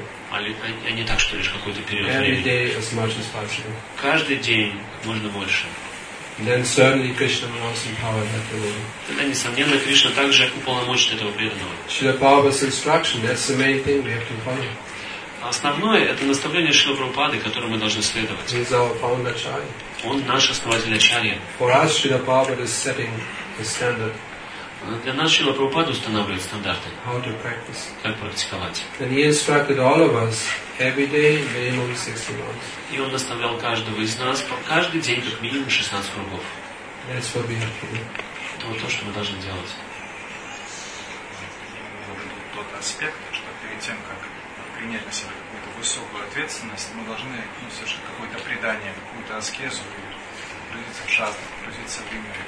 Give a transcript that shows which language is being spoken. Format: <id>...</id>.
<ru>А не так, что лишь какой-то период</ru> <en>every</en> <ru>времени.</ru> <en>Day as much as possible.</en> <ru>Каждый день как можно больше.</ru> <en>Then certainly Krishna will also empower that devotee.</en> <ru>Тогда, несомненно, Кришна также уполномочит этого преданного.</ru> <en>Srila Prabhupada's instruction, that's the main thing we have to follow.</en> <ru>Основное — это наставление Шрилы Прабхупады, которое мы должны следовать.</ru> <en>He's our founder Acharya.</en> <ru>Он наш основатель Ачарья.</ru> <en>For us, Srila Prabhupada is setting the standard.</en> <ru>Для нас Шрила Прабхупада устанавливает стандарты.</ru> <en>How to practice.</en> <ru>Как практиковать.</ru> <en>And he instructed all of us every day, minimum 60 rounds.</en> <ru>И он наставлял каждого из нас по каждый день как минимум 16 кругов.</ru> <en>That's what we have to do.</en> <ru>Это вот то, что мы должны делать. Тот аспект, что перед тем, как принять на себя какую-то высокую ответственность, мы должны совершить какое-то предание, какую-то аскезу, грузиться в шастру, грузиться в имя.</ru>